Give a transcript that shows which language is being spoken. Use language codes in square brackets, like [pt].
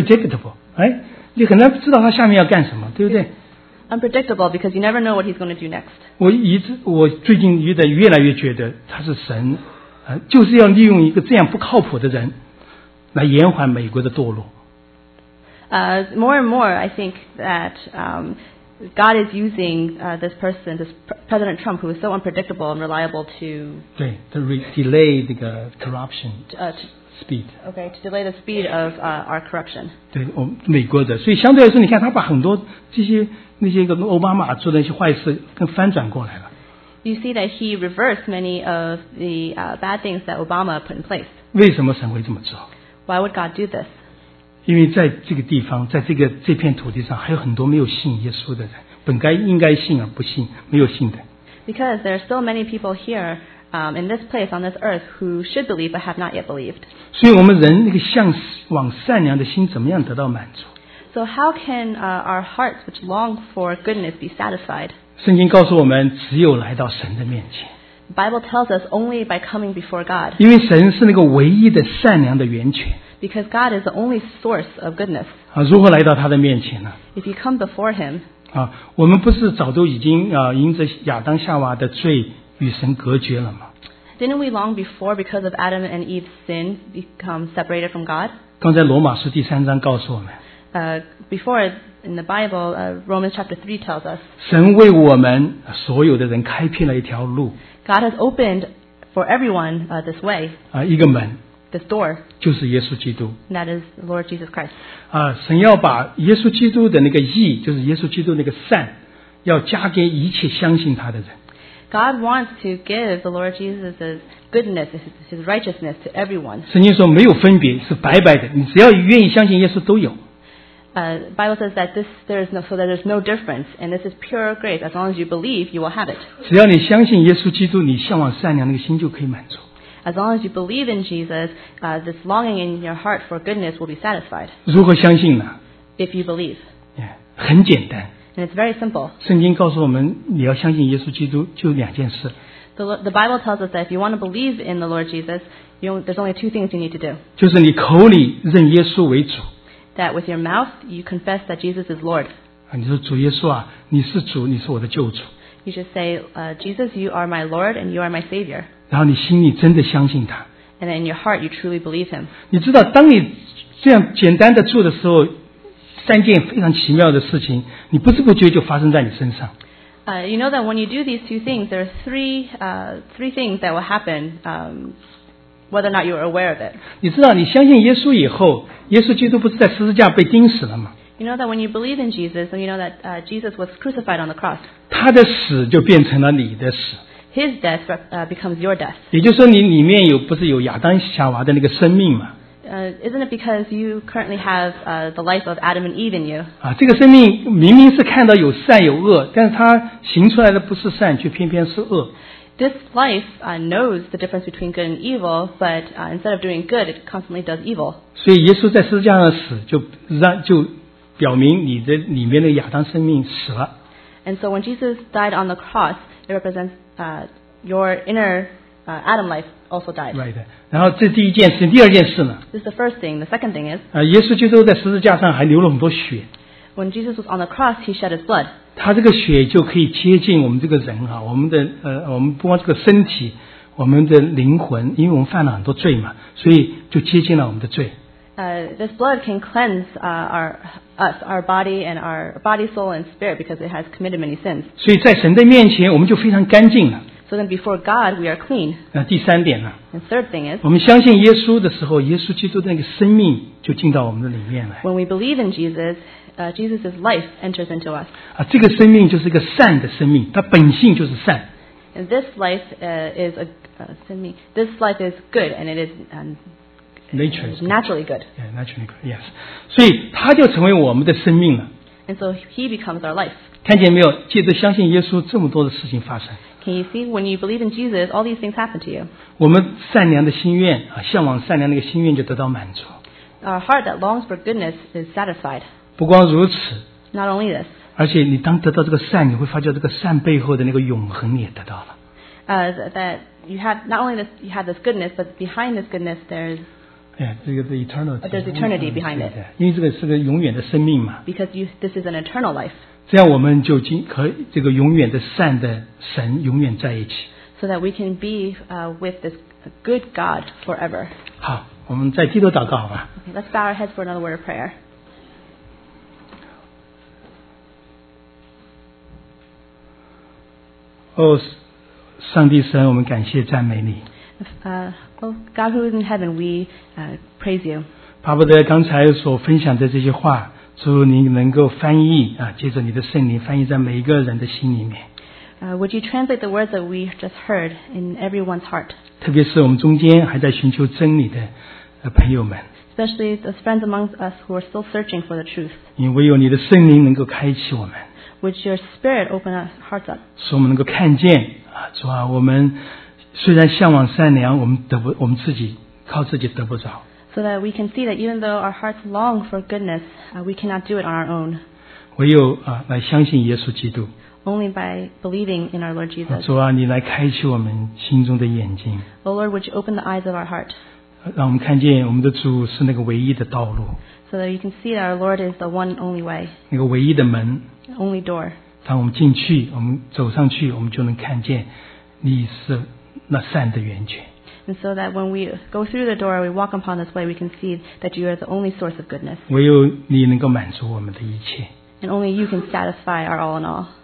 [en] unreliable, unpredictable, right? [zh] 你很难知道他下面要干什么，对不对 [en] ？Unpredictable, because you never know what he's going to do next. [zh] 我最近越来越觉得他是神，就是要利用一个这样不靠谱的人，来延缓美国的堕落。 [en] More and more, I think that God is using this person, this President Trump, who is so unpredictable and reliable to... [zh] 对, [en] to delay the corruption speed. Okay, to delay the speed of our corruption. [zh] 对, 美国的。所以相对来说，你看他把很多这些那些跟奥巴马做的一些坏事跟翻转过来了。 [en] You see that he reversed many of the bad things that Obama put in place. [zh] 为什么神会这么做？ [en] Why would God do this? [zh] 因为在这个地方，在这片土地上，还有很多没有信耶稣的人，本该应该信而不信，没有信的。 [en] Because there are so many people here, in this place, on this earth, who should believe but have not yet believed. [zh] 所以我们人那个向往善良的心，怎么样得到满足 [en] ？So how can our hearts, which long for goodness, be satisfied? [zh] 圣经告诉我们，只有来到神的面前。 [en] The Bible tells us only by coming before God. [zh] 因为神是那个唯一的善良的源泉。 [en] Because God is the only source of goodness. [zh] 如何来到他的面前呢？ [en] If you come before him. [zh] 我们不是早都已经因着亚当夏娃的罪与神隔绝了吗？ [en] Didn't we long before because of Adam and Eve's sin become separated from God? [zh] 刚才罗马书第三章告诉我们。 [en] Before in the Bible, Romans chapter 3 tells us. [zh] 神为我们所有的人开辟了一条路。 [en] God has opened for everyone this way. [zh] 一个门。 [en] This door, [zh] 就是耶稣基督。 [en] That is the Lord Jesus Christ. [zh] 神要把耶稣基督的那个义，就是耶稣基督那个善，要加给一切相信他的人。 [en] God wants to give the Lord Jesus' goodness, his righteousness to everyone. [zh] 圣经说没有分别，是白白的，你只要愿意相信耶稣都有。 [en] Bible says that there's no difference, and this is pure grace. As long as you believe, you will have it. [zh] 只要你相信耶稣基督，你向往善良那个心就可以满足。 [en] As long as you believe in Jesus, this longing in your heart for goodness will be satisfied. [zh] 如何相信呢？ [en] If you believe. [zh] Yeah, 很简单。 [en] And it's very simple. [zh] 圣经告诉我们，你要相信耶稣基督，就两件事。 [en] The Bible tells us that if you want to believe in the Lord Jesus, there's only two things you need to do. [zh] 就是你口里认耶稣为主。 [en] That with your mouth, you confess that Jesus is Lord. [zh] 你说主耶稣啊，你是主，你是我的救主。 [en] You just say, Jesus, you are my Lord and you are my Savior. [zh] 然后你心里真的相信他。 [en] And then in your heart, you truly believe him. [zh] 你知道，当你这样简单的做的时候，三件非常奇妙的事情，你不知不觉就发生在你身上。 [en] You know that when you do these two things, there are three things that will happen, whether or not you are aware of it. [zh] 你知道，你相信耶稣以后，耶稣基督不是在十字架被钉死了吗？ [en] You know that when you believe in Jesus, and you know that Jesus was crucified on the cross, [zh] 他的死就变成了你的死。 [en] His death becomes your death. [zh] 也就是说，你里面不是有亚当夏娃的那个生命吗？ [en] Isn't it because you currently have the life of Adam and Eve in you? [zh] 这个生命明明是看到有善有恶，但是它行出来的不是善，却偏偏是恶。 [en] this life knows the difference between good and evil, but instead of doing good, it constantly does evil. [zh] 所以耶稣在十字架上死，就表明你的里面的亚当生命死了。 [en] And so when Jesus died on the cross, it represents your inner Adam life also died. Right. [zh] 然后这第一件事，第二件事呢？ [en] This is the first thing. The second thing is. [zh] 耶稣基督在十字架上还流了很多血。 [en] When Jesus was on the cross, he shed his blood. [zh] 他这个血就可以接近我们这个人啊，我们的我们不光这个身体，我们的灵魂，因为我们犯了很多罪嘛，所以就接近了我们的罪。 [en] This blood can cleanse our body and our body, soul, and spirit because it has committed many sins. [zh] 所以在神的面前，我们就非常干净了。 [en] So then before God, we are clean. [zh] 那第三点呢？ [en] And third thing is, [zh] 我们相信耶稣的时候，耶稣基督的那个生命就进到我们的里面来。 [en] When we believe in Jesus, Jesus' life enters into us. [zh] 这个生命就是一个善的生命，它本性就是善。 [en] And this life is a sin-me. This life is good, and it is naturally good. Naturally good. Yeah, naturally good. Yes. [zh] 所以它就成为我们的生命了。 [en] And so he becomes our life. [zh] 看见没有？借着相信耶稣，这么多的事情发生。 [en] Can you see when you believe in Jesus, all these things happen to you? [zh] 我们善良的心愿啊，向往善良的一个心愿就得到满足。 [en] Our heart that longs for goodness is satisfied. [zh] 不光如此。 [en] Not only this. [zh] 而且你当得到这个善，你会发觉这个善背后的那个永恒你也得到了。 [en] That you have not only this, you have this goodness, but behind this goodness, there's. Yeah, 这个 the eternal. There's eternity behind it. [zh] 因为这个是个永远的生命嘛。 [en] Because you, this is an eternal life. [zh] 这样我们就和这个永远的善的神永远在一起。 [en] So that we can be with this good God forever. [zh] 好，我们再低头祷告好吧。 [en] Okay, let's bow our heads for another word of prayer. [zh] 哦，上帝神，我们感谢赞美你。 [en] Oh, God who is in heaven, we praise you. [zh] 巴不得刚才所分享的这些话，主你能够翻译啊，借着你的圣灵翻译在每一个人的心里面。 [en] Would you translate the words that we just heard in everyone's heart? [zh] 特别是我们中间还在寻求真理的朋友们。 [en] Especially the friends amongst us who are still searching for the truth. [zh] 因为唯有你的圣灵能够开启我们。 [en] Would your spirit open our hearts up? [zh] 使我们能够看见啊，主啊，我们。虽然向往善良，我们自己靠自己得不着。 [en] So that we can see that even though our hearts long for goodness, we cannot do it on our own. [zh] 唯有来相信耶稣基督。 [en] Only by believing in our Lord Jesus. [zh] 主啊，你来开启我们心中的眼睛。 [en] Oh Lord, would you open the eyes of our heart? [zh] 让我们看见我们的主是那个唯一的道路。 [en] So that you can see that our Lord is the one only way. [zh] 那个唯一的门。 [en] Only door. [zh] 当我们进去，我们走上去，我们就能看见你是。那善的源泉。 [en] And so that when we go through the door, we walk upon this way, we can see that you are the only source of goodness. [zh] 唯有你能够满足我们的一切。 [en] And only you can satisfy our all in all.